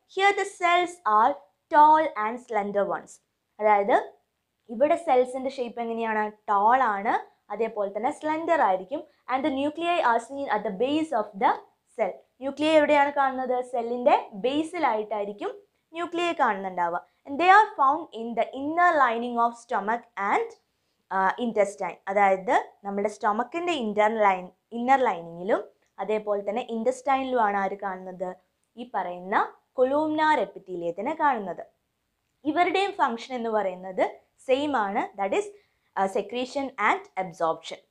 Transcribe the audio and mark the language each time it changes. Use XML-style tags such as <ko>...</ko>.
<en>Here the cells are tall and slender ones.</en> <ml>അതായത് ഇവിടെ സെൽസിൻ്റെ shape എങ്ങനെയാണ്, ടോൾ ആണ്, അതേപോലെ തന്നെ സ്ലെൻഡർ ആയിരിക്കും.</ml> <en>And the nuclei are seen at the base of the cell.</en> <ml>Nuclei എവിടെയാണ് കാണുന്നത്, സെല്ലിൻ്റെ ബേസിലായിട്ടായിരിക്കും nuclei കാണുന്നുണ്ടാവുക.</ml> <en>they are found in the inner lining of stomach and intestine.</en> <ml>അതായത് നമ്മുടെ സ്റ്റമക്കിന്റെ ഇന്നർ ലൈനിങ്ങിലും അതേപോലെ തന്നെ ഇൻറ്റസ്റ്റൈനിലുമാണ് ആര് കാണുന്നത്? ഈ പറയുന്ന കൊലൂംനാർ എപ്പിത്തീലിയത്തിനെ കാണുന്നത്. ഇവരുടെയും ഫംഗ്ഷൻ എന്ന് പറയുന്നത് സെയിം ആണ്,</ml> <en>That is secretion and absorption.</en>